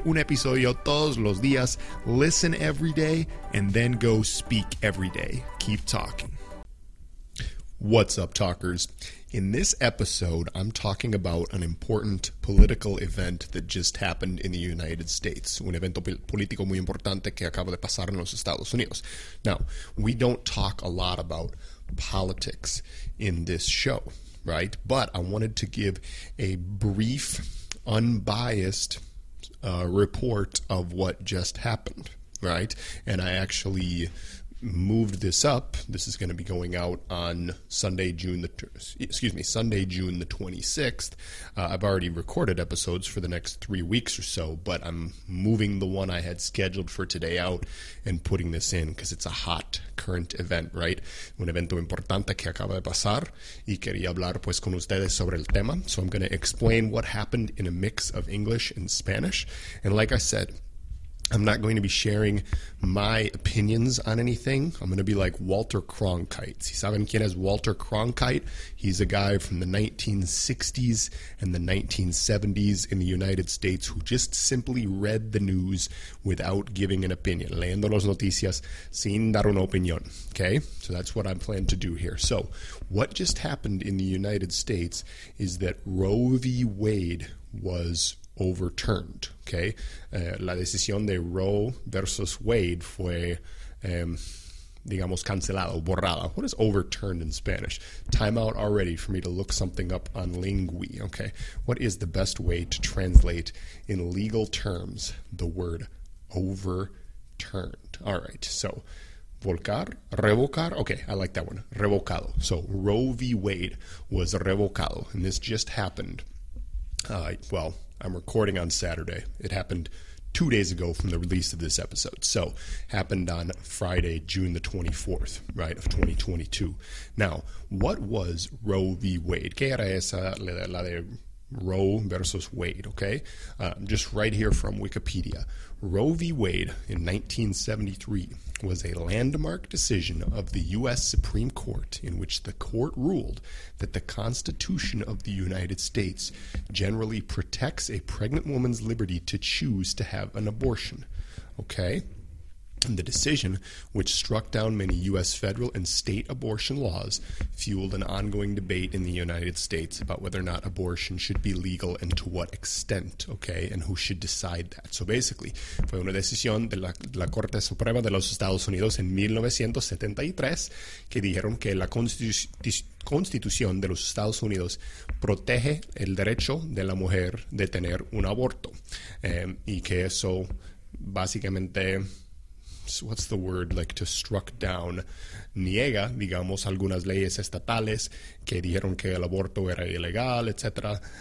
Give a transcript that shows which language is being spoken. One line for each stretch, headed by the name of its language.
Spanish: Un episodio todos los días.
English: Listen every day and then go speak every day. Keep talking. What's up, talkers? In this episode, I'm talking about an important political event that just happened in the United States.
Spanish: Un evento político muy importante que acaba de pasar en los Estados Unidos.
English: Now, we don't talk a lot about politics in this show, right? But I wanted to give a brief, unbiased report of what just happened, right? And I actually moved this up. This is going to be going out on Sunday, June the 26th. I've already recorded episodes for the next 3 weeks or so, but I'm moving the one I had scheduled for today out and putting this in because it's a hot current event, right?
Spanish: Un evento importante que acaba de pasar y quería hablar pues con ustedes sobre el tema.
English: So I'm going to explain what happened in a mix of English and Spanish. And like I said, I'm not going to be sharing my opinions on anything. I'm going to be like Walter Cronkite.
Spanish: Si saben quién es Walter Cronkite?
English: He's a guy from the 1960s and the 1970s in the United States who just simply read the news without giving an opinion.
Spanish: Leyendo las noticias sin dar una opinión.
English: Okay? So that's what I plan to do here. So what just happened in the United States is that Roe v. Wade was overturned, okay?
Spanish: La decisión de Roe versus Wade fue, digamos, cancelado, borrada.
English: What is overturned in Spanish? Time out already for me to look something up on Lingui, okay? What is the best way to translate in legal terms the word overturned? All right, so volcar, revocar, okay, I like that one, revocado. So Roe v. Wade was revocado, and this just happened, I'm recording on Saturday. It happened 2 days ago from the release of this episode. So, happened on Friday, June the 24th, right, of 2022. Now, what was Roe v. Wade?
Spanish: ¿Qué era esa la de Roe versus Wade, okay?
English: Just right here from Wikipedia. Roe v. Wade in 1973 was a landmark decision of the U.S. Supreme Court in which the court ruled that the Constitution of the United States generally protects a pregnant woman's liberty to choose to have an abortion. Okay? And the decision, which struck down many U.S. federal and state abortion laws, fueled an ongoing debate in the United States about whether or not abortion should be legal and to what extent, okay, and who should decide that.
Spanish: So basically, fue una decisión de la Corte Suprema de los Estados Unidos en 1973 que dijeron que la Constitución de los Estados Unidos protege el derecho de la mujer de tener un aborto. Y que eso básicamente,
English: what's the word, like to struck down,
Spanish: niega, digamos, algunas leyes estatales que dijeron que el aborto era ilegal, etc.